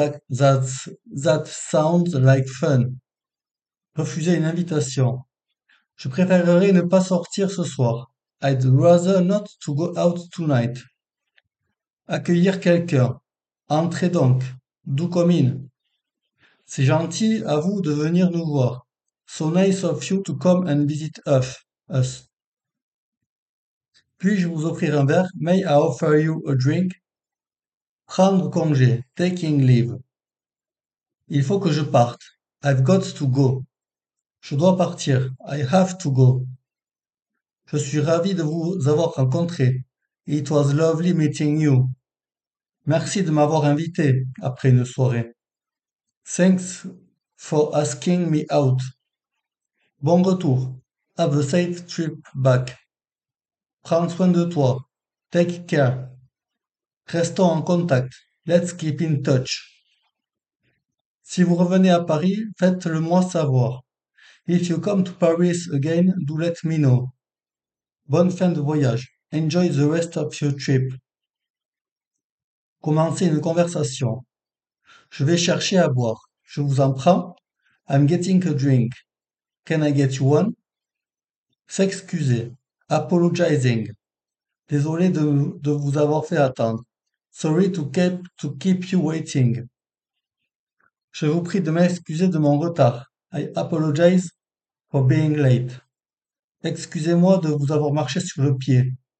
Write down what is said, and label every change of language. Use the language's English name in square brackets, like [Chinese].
[English] That sounds like fun. [French] Refuser une invitation. Je préférerais ne pas sortir ce soir. [English] I'd rather not to go out tonight. [French] Accueillir quelqu'un. Entrez donc. [English] Do come in. [French] C'est gentil à vous de venir nous voir. [English] So nice of you to come and visit us. [French] Puis-je vous offrir un verre? [English] May I offer you a drink? [French] Prendre congé. [English] Taking leave. [French] Il faut que je parte. [English] I've got to go. [French] Je dois partir. [English] I have to go. [French] Je suis ravi de vous avoir rencontré. [English] It was lovely meeting you. [French] Merci de m'avoir invité après une soirée. [English] Thanks for asking me out. [French] Bon retour. [English] Have a safe trip back. [French] Prends soin de toi. [English] Take care. [French] Restons en contact. [English] Let's keep in touch. [French] Si vous revenez à Paris, faites-le-moi savoir. [English] If you come to Paris again, do let me know. [French] Bonne fin de voyage. [English] Enjoy the rest of your trip. [French] Commencez une conversation. Je vais chercher à boire. Je vous en prends. [English] I'm getting a drink. Can I get you one? [French] S'excuser. [English] Apologizing. [French] Désolé de vous avoir fait attendre. [English] Sorry to keep you waiting. [French] Je vous prie de m'excuser de mon retard. [English] I apologize for being late. [French] Excusez-moi de vous avoir marché sur le pied.